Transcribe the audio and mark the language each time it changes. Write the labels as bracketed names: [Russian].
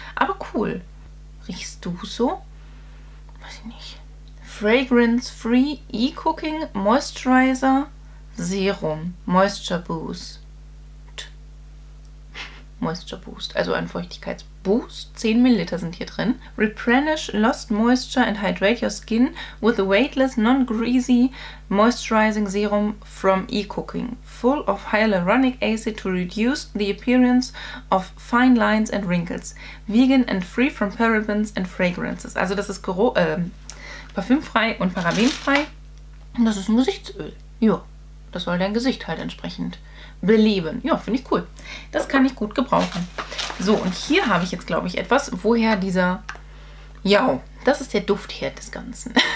[German] Aber cool. Riechst du so? Weiß ich nicht. [English] Fragrance Free E-Cooking Moisturizer Serum Moisture Boost. [German] Moisture Boost, also ein Feuchtigkeitsboost. 10 ml sind hier drin. [English] Replenish lost moisture and hydrate your skin with a weightless, non-greasy moisturizing serum from eCooking. Full of hyaluronic acid to reduce the appearance of fine lines and wrinkles. Vegan and free from parabens and fragrances. [German] Also das ist parfümfrei und parabenfrei. Und das ist ein Gesichtsöl. Ja, das soll dein Gesicht halt entsprechend beleben. Ja, finde ich cool. Das kann ich gut gebrauchen. So, und hier habe ich jetzt, glaube ich, etwas, woher dieser... Ja, das ist der Duftherd des Ganzen.